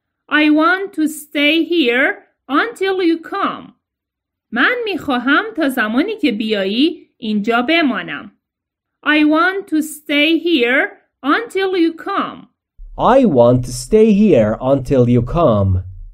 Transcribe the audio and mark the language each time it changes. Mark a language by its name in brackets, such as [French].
[English] I want to stay here until you come. [Persian] من میخواهم تا زمانی که بیایی اینجا بمانم. [English] I want to stay here until you come. I want to stay here until you come.